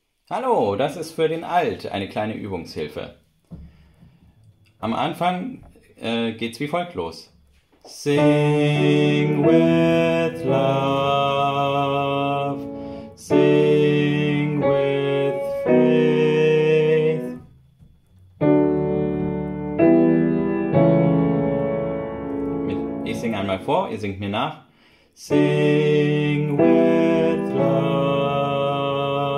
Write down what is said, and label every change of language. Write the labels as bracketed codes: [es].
[de] Hallo, das ist für den Alt eine kleine Übungshilfe. Am Anfang geht's wie folgt los. [en] Sing with love, sing with faith. [de] Ich singe einmal vor, ihr singt mir nach. [en] Sing with love.